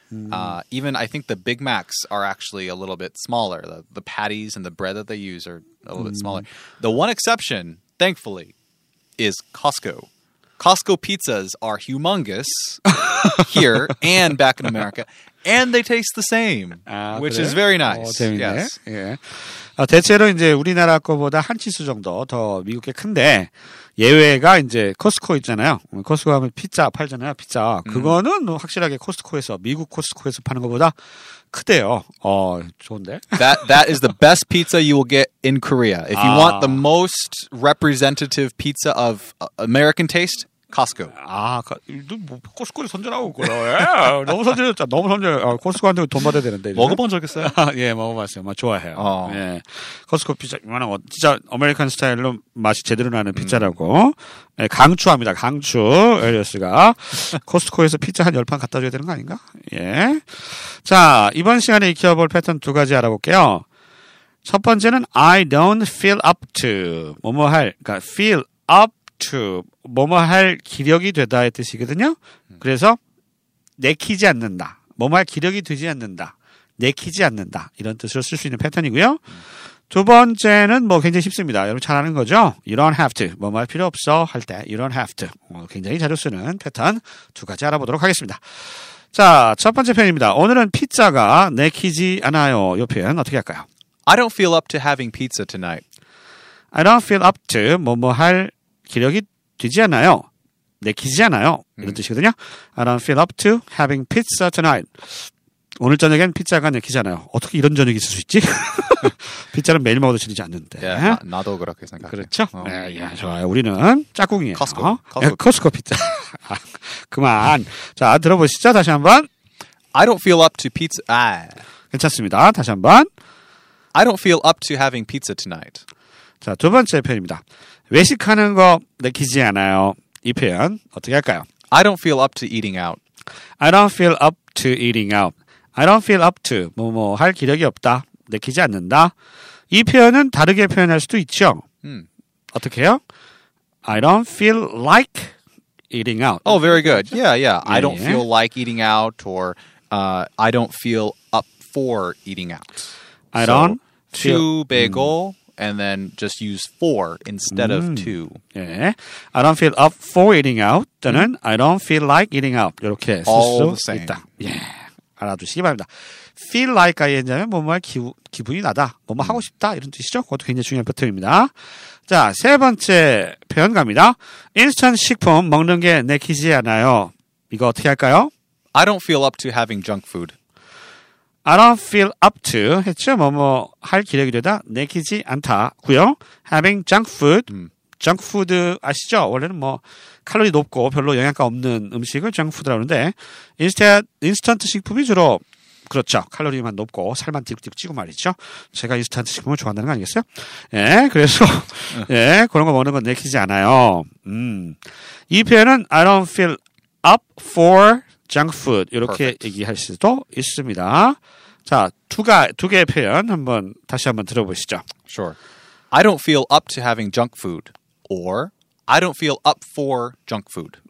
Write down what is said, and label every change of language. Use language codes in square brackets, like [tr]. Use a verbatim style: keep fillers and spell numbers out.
[en] Uh, even I think the Big Macs are actually a little bit smaller. The, the patties and the bread that they use are a little mm. bit smaller. The one exception, thankfully, is Costco. Costco pizzas are humongous here and back in America, and they taste the same, 아, which [ko] 그래요? [en] is very nice. [ko] 어, 재밌네. [en] Yes. [ko] 예. 아, 대체로 이제 우리나라 거보다 한 치수 정도 더 미국에 큰데 예외가 이제 코스코 있잖아요. 코스코 가면 피자 팔잖아요. 피자 그거는 음. 확실하게 코스코에서 미국 코스코에서 파는 거보다 크대요. 어, 좋은데? [en] That that is the best pizza you will get in Korea. If you 아. want the most representative pizza of uh, American taste. Costco. [ko] 아, 뭐 코스코를 선전하고 있구나. 너무 선전했잖아. 너무 선전. 아, 코스코한테 돈 받아야 되는데. 이제. 먹어본 적 있어요? 예, 먹어봤어요. 막 좋아해요. 어. 예, 코스코 피자 이만한 거 진짜 아메리칸 스타일로 맛이 제대로 나는 피자라고 음. 예, 강추합니다. 강추 엘리어스가 코스코에서 피자 한 열 판 갖다 줘야 되는 거 아닌가? 예. 자, 이번 시간에 익혀볼 패턴 두 가지 알아볼게요. 첫 번째는 [en] I don't feel up to 뭐뭐 할. 그러니까 feel up. [ko] to 뭐뭐 할 기력이 되다의 뜻이거든요. 그래서 내키지 않는다. 뭐뭐 할 기력이 되지 않는다. 내키지 않는다. 이런 뜻으로 쓸 수 있는 패턴이고요. 두 번째는 뭐 굉장히 쉽습니다. 여러분 잘 아는 거죠? [en] You don't have to. [ko] 뭐뭐 할 필요 없어 할 때 [en] You don't have to. [ko] 굉장히 자주 쓰는 패턴 두 가지 알아보도록 하겠습니다. 자, 첫 번째 표현입니다. 오늘은 피자가 내키지 않아요. 이 표현 어떻게 할까요? [en] I don't feel up to having pizza tonight. I don't feel up to [ko] 뭐뭐 할 기력이 되지 않아요. 내키지 않아요. 이런 음. 뜻이거든요. [en] I don't feel up to having pizza tonight. [ko] 오늘 저녁엔 피자가 내키지 않아요. 어떻게 이런 저녁이 있을 수 있지? 피자는 매일 먹어도 질리지 않는데. 예, 나, 나도 그렇게 생각해요. 그렇죠. 어. 예, 예, 좋아요. 우리는 짝꿍이에요. 코스코. 어? 코스코. 예, 코스코 피자. 아, 그만. 자, 들어보시죠. 다시 한번. [en] I don't feel up to pizza. 아. [ko] 괜찮습니다. 다시 한번. [en] I don't feel up to having pizza tonight. [ko] 자, 두 번째 표현입니다. 외식하는 거 내키지 않아요. 이 표현 어떻게 할까요? [en] I don't feel up to eating out. I don't feel up to eating out. I don't feel up to [ko] 뭐뭐 할 기력이 없다. 내키지 않는다. 이 표현은 다르게 표현할 수도 있죠. 음. 어떻게 해요? [en] I don't feel like eating out. Oh, very good. Yeah, yeah. I don't feel like eating out or uh, I don't feel up for eating out. I don't feel... 배고 and then just use for instead 음. of to. [ko] 예. [en] I don't feel up for eating out. 또는 I don't feel like eating out. [ko] 이렇게 [en] All [ko] 쓸 수 있다. 예. 알아두시기 바랍니다. feel like I N자면 뭐뭐할 기우, 기분이 나다. 뭐뭐 하고 싶다. 이런 뜻이죠. 그것도 굉장히 중요한 패턴입니다. 자, 세 번째 표현 갑니다. 인스턴트 식품 먹는 게 내키지 않아요. 이거 어떻게 할까요? [en] I don't feel up to having junk food. I don't feel up to [ko] 했죠. 뭐뭐 할 기력이 되다 내키지 않다고요. [en] Having junk food. 음. [ko] junk food 아시죠? 원래는 뭐 칼로리 높고 별로 영양가 없는 음식을 junk food라고 하는데 인스턴트, 인스턴트 식품이 주로 그렇죠. 칼로리만 높고 살만 띠룩띠룩 찌고 말이죠. 제가 인스턴트 식품을 좋아한다는 거 아니겠어요? 예, 그래서 예, 그런 거 먹는 건 내키지 않아요. 음. 이 표현은 [en] I don't feel up for junk food 이렇게 Perfect. [ko] 얘기할 수도 있습니다. 자, 두가 두 개의 표현 한번 다시 한번 들어보시죠. [en] Sure. I don't feel up to having junk food or I don't feel up for junk food.